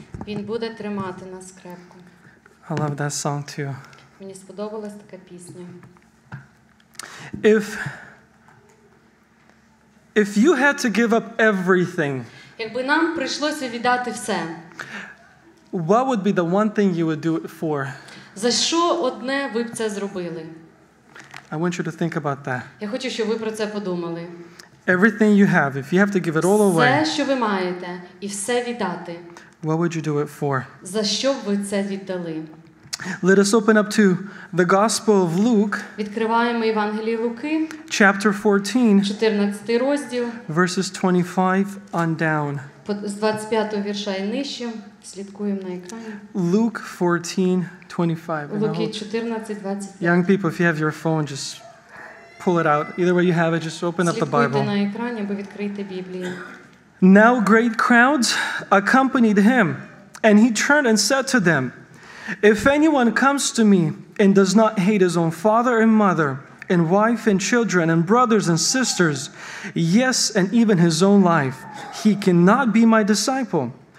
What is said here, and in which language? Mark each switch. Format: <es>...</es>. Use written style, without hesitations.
<uk>Він буде тримати нас крепко.</uk> <en>I love that song too.</en> <uk>Мені сподобалась така пісня.</uk> <en>If you had to give up everything,</en> <uk>якби нам прийшлося віддати все,</uk> <en>what would be the one thing you would do it for?</en> <uk>За що одне ви б це зробили?</uk> <en>I want you to think about that.</en> <uk>Я хочу, щоб ви про це подумали.</uk> <en>Everything you have, if you have to give it all away,</en> <uk>все, що ви маєте, і все віддати,</uk> <en>what would you do it for?</en> <uk>За що б ви це віддали?</uk> <en>Let us open up to the Gospel of Luke.</en> <uk>Відкриваємо Євангеліє Луки.</uk> <en>Chapter 14.</en> <uk>14 розділ.</uk> <en>Verses 25 on down.</en> <uk>З 25-го вірша і нижче. Слідкуємо на екрані.</uk> <en>Luke 14:25.</en> <uk>Луки 14:25.</uk> <en>Young people, if you have your phone, just pull it out. Either way you have it, just open up the Bible.</en> <uk>Слідкуйте на екрані, аби відкрити Біблію.</uk> <en>Now great crowds accompanied him, and he turned and said to them, if anyone comes to me and does not hate his own father and mother and wife and children and brothers and sisters, yes, and even his own life, he cannot be my disciple.</en>